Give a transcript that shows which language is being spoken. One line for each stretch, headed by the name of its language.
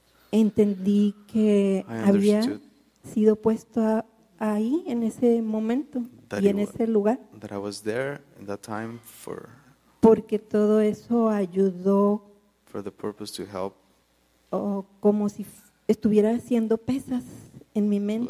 Spanish: entendí que había sido puesto ahí en ese momento y en ese lugar.
English: That I was there in that time for,
Spanish: porque todo eso ayudó
English: for the purpose to help,
Spanish: como si estuviera haciendo pesas en mi mente.